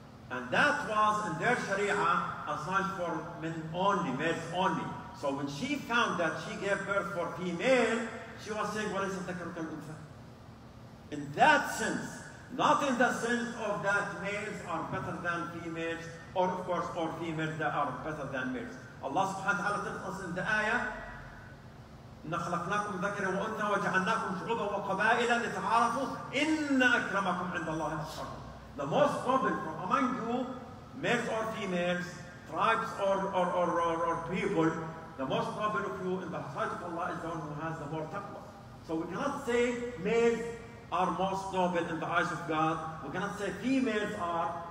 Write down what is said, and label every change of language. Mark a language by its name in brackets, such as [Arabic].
[English] And that was in their sharia assigned for men only, males only. So when she found that she gave birth for female, she was saying, what is the dhakaruka al-untha? In that sense, not in the sense of that males are better than females, or of course, or females that are better than males. Allah subhanahu wa ta'ala tells us in the ayah, [Arabic] نَخْلَقْنَاكُمْ ذَكَرًا وَأُنْثَى وَجَعَلْنَاكُمْ شُعُوبًا وَقَبَائِلًا لِتَعَارَفُوا إِنَّ أَكْرَمَكُمْ عِنْدَ اللَّهِ أَتْقَاكُمْ. [English] The most common from among you, males or females, tribes or people, the most common of you in the sight of Allah is the one who has the more taqwa. So we cannot say males are most noble in the eyes of God. We cannot say females are.